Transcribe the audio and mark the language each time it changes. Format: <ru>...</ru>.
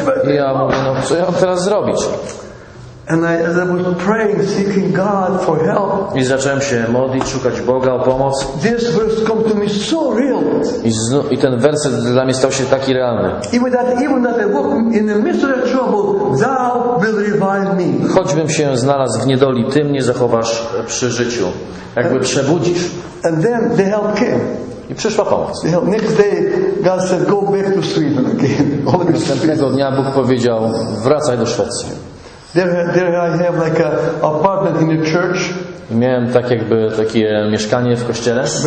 <pl>I ja mówię, no co ja mam teraz zrobić?</pl> <en>And as I was praying, seeking God for help.</en> <pl>I zacząłem się modlić, szukać Boga o pomoc.</pl> <en>This verse came to me so real.</en> <pl>I ten werset dla mnie stał się taki realny.</pl> <en>Even that I walk in the midst of the trouble, thou will revive me.</en> <pl>Choćbym się znalazł w niedoli, ty mnie zachowasz przy życiu. Jakby przebudzisz.</pl> <en>And then the help came.</en> <pl>I przyszła pomoc.</pl> <en>Next day God said, go back to Sweden again.</en> <pl>Następnego dnia Bóg powiedział, wracaj do Szwecji.</pl> <en>There I have like an apartment in the church.</en> <pl>Miałem tak jakby takie mieszkanie w kościele.</pl>